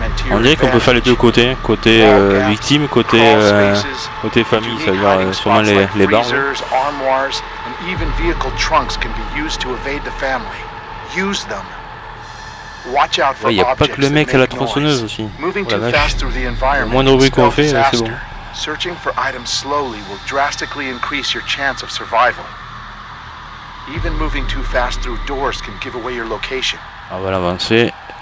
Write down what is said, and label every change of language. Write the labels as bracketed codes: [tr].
[fr] On dirait qu'on peut faire les deux côtés, côté victime, côté côté famille, ça veut dire sûrement les barres. [en] Armoires, and even vehicle trunks can be used to evade the family. Use them. Watch out for objects. [fr] Il y a pas que le mec à la tronçonneuse aussi. [en] Moving too fast through the environment. [fr] Moins de bruit qu'on fait, c'est bon. [en] Searching for items slowly will drastically increase your chance of survival. Even moving too fast through doors can give away your location. [fr] On va l'avancer.